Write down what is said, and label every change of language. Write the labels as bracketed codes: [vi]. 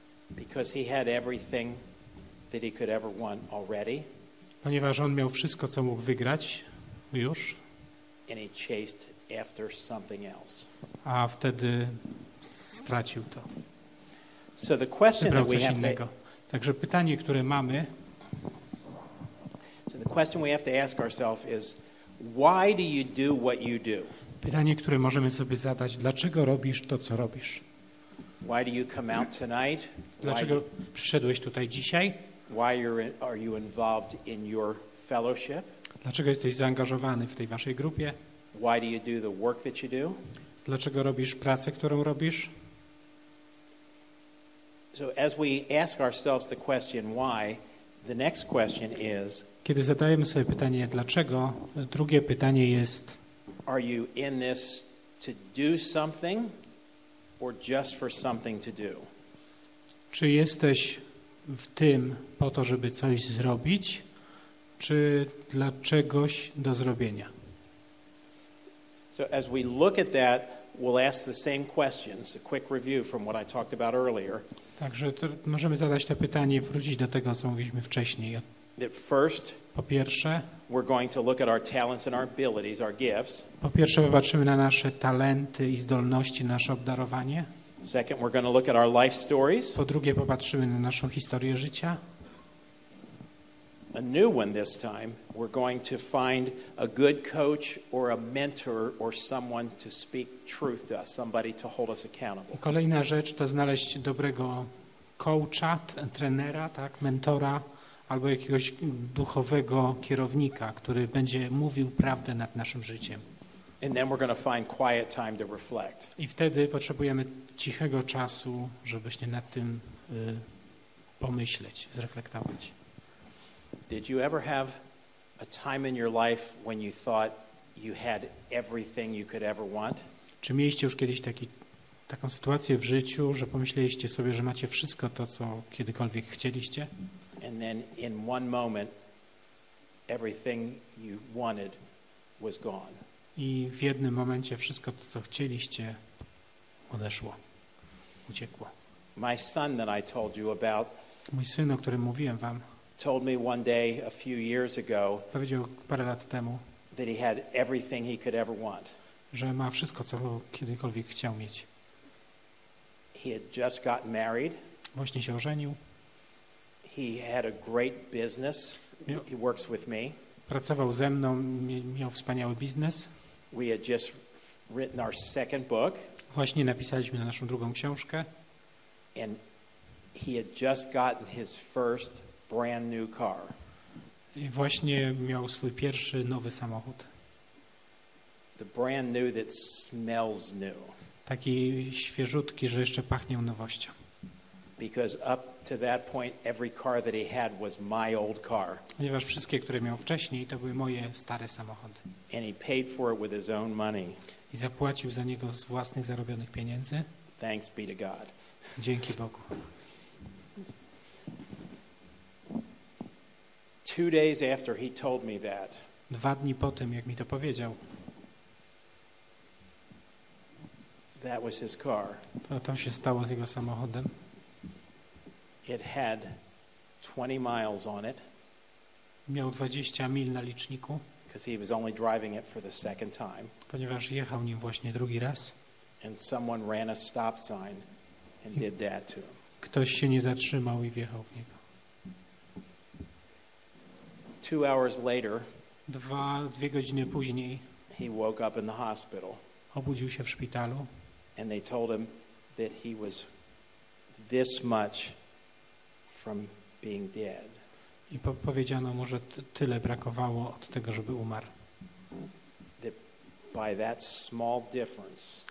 [en] Because he had everything that he could ever want already. [pl] Ponieważ on miał wszystko, co mógł wygrać już. [en] And he chased after something else. [pl] A wtedy stracił to. [en] So the question [pl] wybrał [en] that we [pl] coś innego. Także pytanie, które mamy. [en] So the question we have to ask ourselves is, why do you do what you do? [pl] Pytanie, które możemy sobie zadać, dlaczego robisz to, co robisz? [en] Why do you come out tonight? [pl] Dlaczego przyszedłeś tutaj dzisiaj? [en] Why are you involved in your fellowship? [pl] Dlaczego jesteś zaangażowany w tej waszej grupie? [en] Why do you do the work that you do? [pl] Dlaczego robisz pracę, którą robisz? [en] So as we ask ourselves the question why, the next question is, [pl] kiedy zadajemy sobie pytanie dlaczego, drugie pytanie jest, [en] are you in this to do something or just for something to do? [pl] Czy jesteś w tym po to, żeby coś zrobić, czy dla czegoś do zrobienia? [en] So as we look at that, we'll ask the same questions, a quick review from what I talked about earlier. [pl] Także możemy zadać to pytanie, wrócić do tego, co mówiliśmy wcześniej. Po pierwsze, [en] we're going to look at our talents and our abilities, our gifts. [pl] Po pierwsze, popatrzymy na nasze talenty i zdolności, nasze obdarowanie. [en] Second, we're going to look at our life stories. [pl] Po drugie, popatrzymy na naszą historię życia. [en] A new one this time, we're going to find a good coach or a mentor or someone to speak truth to us, somebody to hold us accountable. [pl] Kolejna rzecz to znaleźć dobrego coacha, trenera, tak, mentora albo jakiegoś duchowego kierownika, który będzie mówił prawdę nad naszym życiem. [en] And then we're going to find quiet time to reflect. [pl] I wtedy potrzebujemy cichego czasu, żeby się nad tym pomyśleć, zreflektować. [en] Did you ever have a time in your life when you thought you had everything you could ever want? [pl] Czy mieliście już kiedyś taką sytuację w życiu, że pomyśleliście sobie, że macie wszystko to, co kiedykolwiek chcieliście? [en] And then in one moment everything you wanted was gone. [pl] I w jednym momencie wszystko to, co chcieliście, odeszło, uciekło. [en] My son that I told you about, [pl] mój syn, o którym mówiłem wam, [en] told me one day a few years ago, [pl] powiedział parę lat temu, [en] that he had everything he could ever want. [pl] Że ma wszystko, co kiedykolwiek chciał mieć. [en] He had just gotten married. [pl] Właśnie się ożenił. [en] He had a great business. He works with me. [pl] Pracował ze mną, miał wspaniały biznes. [en] We had just written our second book. [pl] Właśnie napisaliśmy na naszą drugą książkę. [en] And he had just gotten his first brand new car. [pl] I właśnie miał swój pierwszy nowy samochód. [en] The brand new that smells new. [pl] Taki świeżutki, że jeszcze pachnie nowością. [en] Because up to that point every car that he had was my old car. [pl] Ponieważ wszystkie, które miał wcześniej, to były moje stare samochody. [en] And he paid for it with his own money. [pl] I zapłacił za niego z własnych zarobionych pieniędzy. [en] Thanks be to God. [pl] Dzięki Bogu. [en] 2 days after he told me that. [pl] 2 dni po tym, jak mi to powiedział. [en] That was his car. [pl] To się stało z jego samochodem. [en] It had 20 miles on it. [pl] Miał 20 mil na liczniku. [en] Because he was only driving it for the second time. [pl] Ponieważ jechał nim właśnie drugi raz. [en] And someone ran a stop sign and did that to him. [pl] Ktoś się nie zatrzymał i wjechał w niego. [en] 2 hours later. [pl] 2 godziny później. [en] He woke up in the hospital. [pl] Obudził się w szpitalu. [en] And they told him that he was this much from being dead. [pl] I powiedziano mu, że tyle brakowało od tego, żeby umarł. [en] That by that small difference.